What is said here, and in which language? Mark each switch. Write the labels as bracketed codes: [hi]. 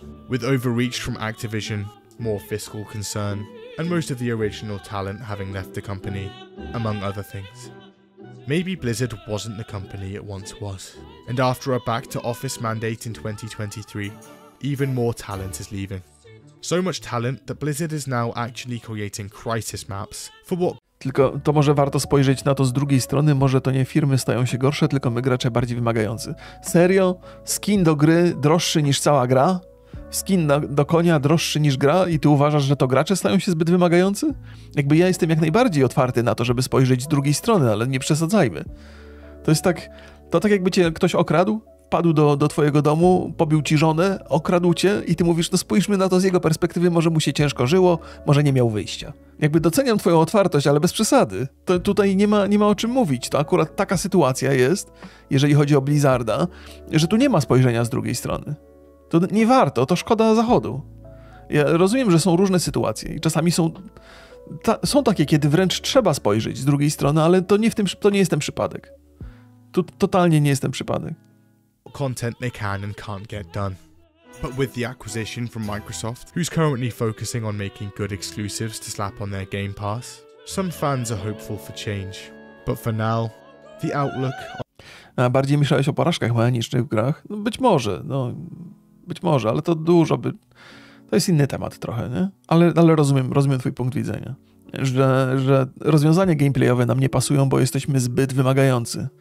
[en] With overreach from Activision, more fiscal concern, and most of the original talent having left the company, among other things. Maybe Blizzard wasn't the company it once was. And after a back-to-office mandate in 2023, even more talent is leaving. So much talent that Blizzard is now actually creating crisis maps for what... [pl] Tylko to może warto spojrzeć na to z drugiej strony, może to nie firmy stają się gorsze, tylko my gracze bardziej wymagający. Serio? Skin do gry droższy niż cała gra? Skin do konia droższy niż gra i ty uważasz, że to gracze stają się zbyt wymagający? Jakby ja jestem jak najbardziej otwarty na to, żeby spojrzeć z drugiej strony, ale nie przesadzajmy. To jest tak, jakby cię ktoś okradł, padł do twojego domu, pobił ci żonę, okradł cię i ty mówisz, no spójrzmy na to z jego perspektywy, może mu się ciężko żyło, może nie miał wyjścia. Jakby doceniam twoją otwartość, ale bez przesady. To tutaj nie ma o czym mówić. To akurat taka sytuacja jest, jeżeli chodzi o Blizzarda, że tu nie ma spojrzenia z drugiej strony. To nie warto, to szkoda zachodu. Ja rozumiem, że są różne sytuacje i czasami są są takie, kiedy wręcz trzeba spojrzeć z drugiej strony, ale to nie, w tym, to nie jest ten przypadek. To totalnie nie jest ten przypadek. [en] Content they can and can't get done. But with the acquisition from Microsoft, who's currently focusing on making good exclusives to slap on their Game Pass, some fans are hopeful for change. But for now, the outlook... [pl] A bardziej myślałeś o porażkach mechanicznych w grach? No być może, no... Być może, ale to dużo by... To jest inny temat trochę, nie? Ale rozumiem twój punkt widzenia. Że rozwiązania gameplayowe nam nie pasują, bo jesteśmy zbyt wymagający.